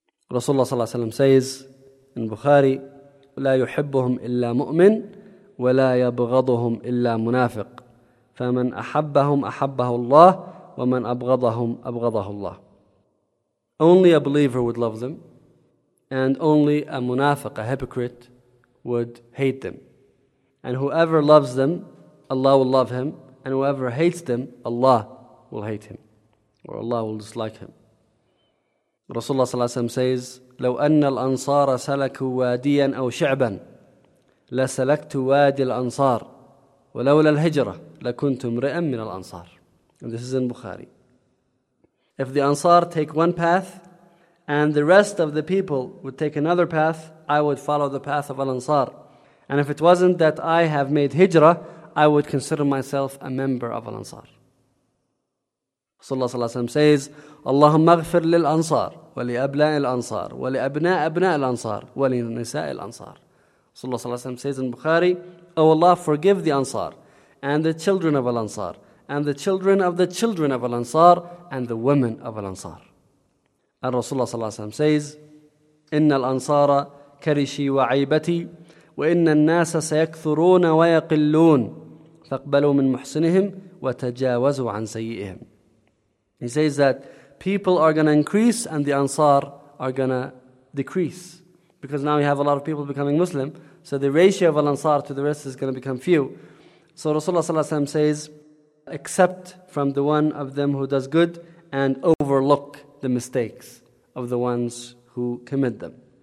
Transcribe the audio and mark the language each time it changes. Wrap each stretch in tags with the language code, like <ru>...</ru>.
<en>Rasulullah sallallahu alayhi wa sallam says in Bukhari,</en> <ar>لا يحبهم إلا مؤمن ولا يبغضهم إلا منافق فمن أحبهم أحبه الله ومن أبغضهم أبغضه الله.</ar> <en>Only a believer would love them, and only a munafiq, a hypocrite, would hate them. And whoever loves them, Allah will love him. And whoever hates them, Allah will hate him. Or Allah will dislike him. Rasulullah sallallahu alayhi wa sallam says,</en> <ar>لو أن الأنصار سلكوا واديا أو شعبا لسلكت وادي الأنصار ولولا الهجرة لكنت امرئا من الأنصار.</ar> <en>And this is in Bukhari. If the Ansar take one path, and the rest of the people would take another path, I would follow the path of Al-Ansar. And if it wasn't that I have made hijrah, I would consider myself a member of Al-Ansar. Rasulullah sallallahu alayhi wa sallam says,</en> <ar>Allahumma ghafir lil-Ansar, ولأبناء الأنصار ولأبناء أبناء الأنصار ولنساء الأنصار. صلى الله عليه وسلم</ar> <en>says in Bukhari, oh Allah, forgive the Ansar and the children of Al-Ansar and the children of the children of Al-Ansar and the women of Al-Ansar. And Rasulullah</en> <ar>صلى الله عليه وسلم</ar> <en>says,</en> <ar>إن الأنصار كرشي وعيبتي وإن الناس سيكثرون ويقلون فاقبلوا من محسنهم وتجاوزوا عن سيئهم.</ar> <en>He says that people are going to increase and the Ansar are going to decrease. Because now we have a lot of people becoming Muslim, so the ratio of Al-Ansar to the rest is going to become few. So Rasulullah ﷺ says, accept from the one of them who does good and overlook the mistakes of the ones who commit them.</en>